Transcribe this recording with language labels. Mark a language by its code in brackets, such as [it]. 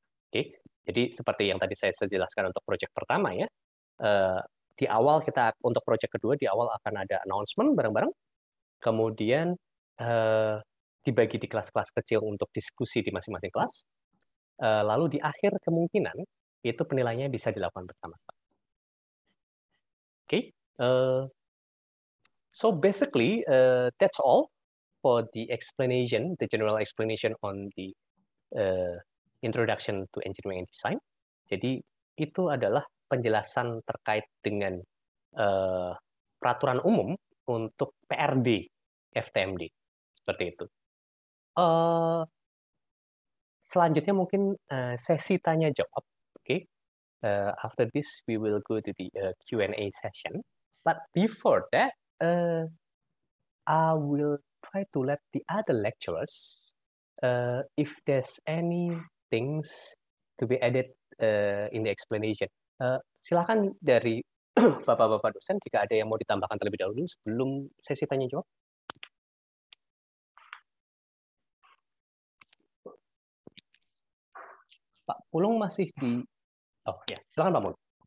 [id] Okay, jadi seperti yang tadi saya jelaskan untuk project pertama ya, di awal kita untuk project kedua di awal akan ada announcement bareng-bareng, kemudian dibagi di kelas-kelas kecil untuk diskusi di masing-masing kelas, lalu di akhir kemungkinan itu penilaiannya bisa dilakukan bersama. [en] Oke, okay. So basically that's all for the explanation, the general explanation on the introduction to engineering and design. [id] Jadi itu adalah penjelasan terkait dengan peraturan umum untuk PRD FTMD seperti itu. Selanjutnya mungkin sesi tanya jawab. [en] Okay. After this we will go to the Q&A session. But before that, I will try to let the other lecturers, if there's any things to be added in the explanation. [id] Silakan dari Bapak-bapak dosen jika ada yang mau ditambahkan terlebih dahulu sebelum sesi tanya jawab. Pak Pulung masih di. Oh ya, silakan Pak Pulung.